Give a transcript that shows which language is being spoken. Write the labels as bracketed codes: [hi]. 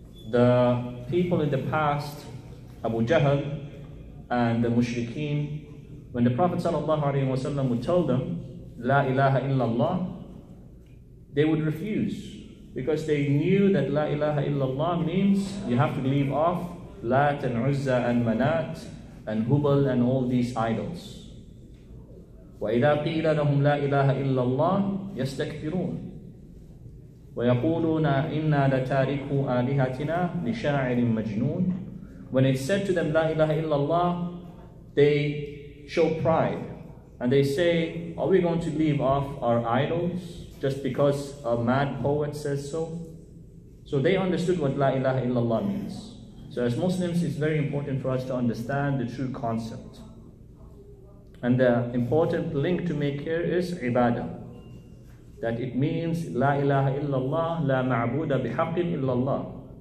[en] The people in the past, Abu Jahl and the mushrikeen, when the Prophet ﷺ would tell them, La ilaha illallah, they would refuse. Because they knew that La ilaha illallah means you have to leave off Lat and Uzza and Manat and Hubal and all these idols. [ar] وَإِذَا قِيلَ لَهُمْ لَا إِلَهَ إِلَّا اللَّهِ يَسْتَكْفِرُونَ وَيَقُولُونَ إِنَّا لَتَارِكُوا آلِهَتِنَا لِشَاعِرٍ مَجْنُونَ [en] When it's said to them, La ilaha illallah, they show pride. And they say, are we going to leave off our idols just because a mad poet says so? So they understood what La ilaha illallah means. So as Muslims, it's very important for us to understand the true concept. And the important link to make here is ibadah. That it means La ilaha illallah, [ar] La ma'buda bihaqin illallah.